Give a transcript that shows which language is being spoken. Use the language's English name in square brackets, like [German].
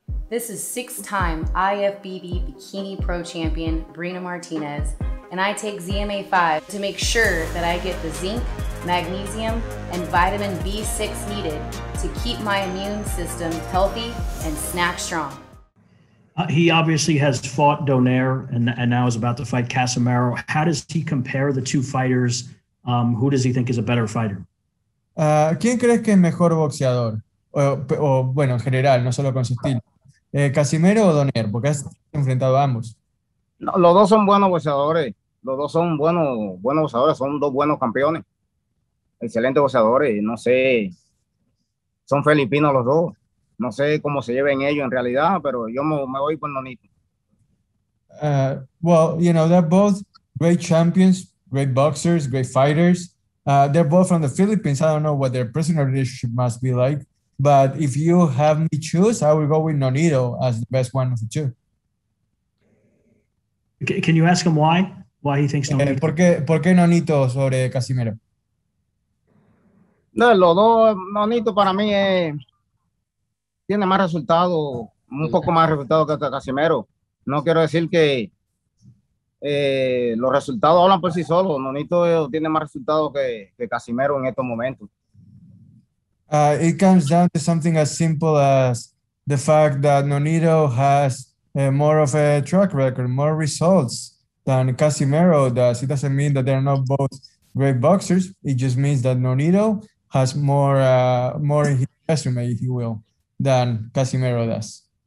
[English] This is six-time IFBB Bikini Pro Champion, Brina Martinez, and I take ZMA5 to make sure that I get the zinc, magnesium, and vitamin B6 needed to keep my immune system healthy and snack strong. He obviously has fought Donaire and now is about to fight Casimero. How does he compare the two fighters? Who does he think is a better fighter? [Spanish] ¿Quién crees que es mejor boxeador? O bueno, en general, no solo con su estilo. ¿Casimero o Donaire? Porque has enfrentado a ambos. No, los dos son buenos boxeadores. Los dos son buenos boxeadores. Son dos buenos campeones. Excelentes boxeadores. No sé. Son filipinos los dos. No sé cómo se lleven ellos en realidad, pero yo me voy con Nonito. [English] Well, you know, they're both great champions, great boxers, great fighters. They're both from the Philippines. I don't know what their personal relationship must be like. But if you have me choose, I will go with Nonito as the best one of the two. Can you ask him why? Why he thinks Nonito? [Spanish] ¿Por qué Nonito sobre Casimero? No, los dos, Nonito para mí tiene más resultado, un poco más resultado que Casimero. No quiero decir que los resultados hablan por sí solos. Nonito tiene más resultados que Casimero en estos momentos. [English] It comes down to something as simple as the fact that Nonito has more of a track record, more results than Casimero does. It doesn't mean that they're not both great boxers. It just means that Nonito has more in his resume, if you will, than Casimero does.